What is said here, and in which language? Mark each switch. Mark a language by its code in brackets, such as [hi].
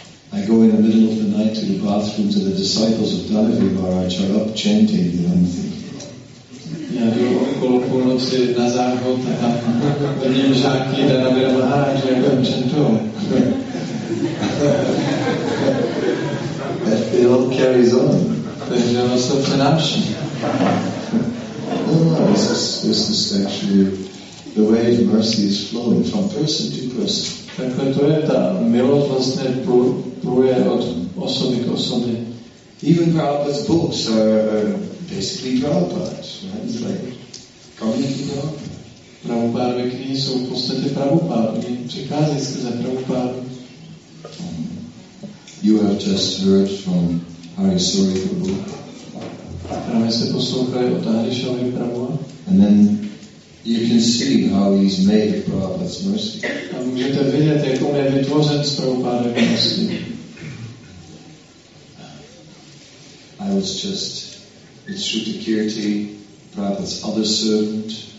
[en] I go in the middle of the night to the bathrooms and the disciples of Dhanavivaraj are up chanting, you know, and thinking. [cs] Já jdu okolo půlnoci na záchod a vidím žáky Dhanavira Maharaj, jak on chantuje. [en] It all carries on. [cs] Takže ono se přenáší. [en] No, this is actually the way of mercy is flowing from person to person. [cs] Takhle to je ta milost vlastně pluje od osoby k osobě. [en] Even Prabhupada's books are basically Prabhupada's, right? It's like, community Prabhupada. [cs] Prabhupada knihy jsou v podstatě Prabhupada. Oni přicházejí skrze Prabhupada. [en] You have just heard from Hari Suri Prabhu. [cs] Právě se poslouchali od Hari Suri Prabhu. [en] And then you can see how he's made of Prabhupada's mercy. [cs] A můžete vidět, jak on je vytvořen z [en] Prabhupada's mercy. I was just with Shruti Kirti, Prabhupada's other servant.